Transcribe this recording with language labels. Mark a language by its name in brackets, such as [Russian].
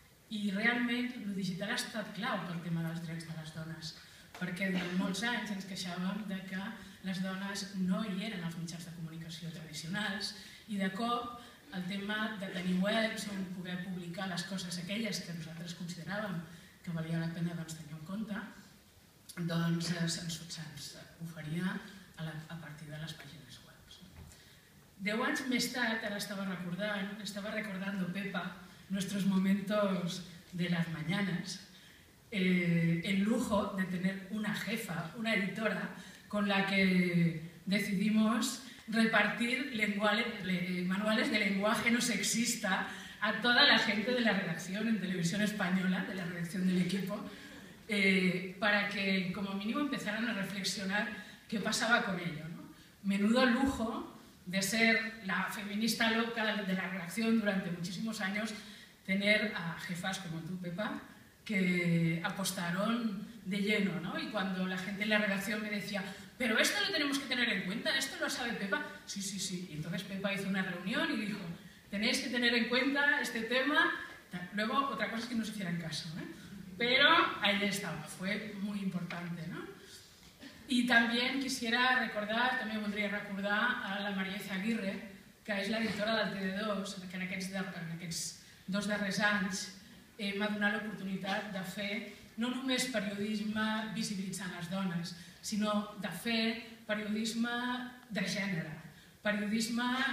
[Catalan] I realment el digital ha estat clau pel tema dels drets de les dones, perquè durant molts anys ens queixàvem de que les dones no hi eren als mitjans de comunicació tradicionals i de cop el tema de tenir webs on poder publicar les coses aquelles que nosaltres consideràvem que valia la pena doncs, tenir en compte, doncs se'ns oferia a partir de les pàgines web. 10 anys més tard, ara estava recordant Pepa, [Spanish] nuestros momentos de las mañanas, el lujo de tener una jefa, una editora, con la que decidimos repartir manuales de lenguaje no sexista a toda la gente de la redacción en Televisión Española, de la redacción del equipo, para que como mínimo empezaran a reflexionar qué pasaba con ello. ¿No? Menudo lujo de ser la feminista loca de la redacción durante muchísimos años, tener a jefas como tú, Pepa, que apostaron de lleno, ¿no? Y cuando la gente en la redacción me decía, pero esto lo tenemos que tener en cuenta, esto lo sabe Pepa, sí, sí, sí. Y entonces Pepa hizo una reunión y dijo, tenéis que tener en cuenta este tema. Luego, otra cosa es que nos hicieran caso, ¿eh? Pero ahí estaba, fue muy importante, ¿no? Y también quisiera recordar, [Catalan] también voldria recordar a la María Aguirre, que es la editora del TD2, que en aquests dos darrers anys m'ha donat l'oportunitat de fer no només periodisme visibilitzant les dones, sinó de fer periodisme de gènere, periodisme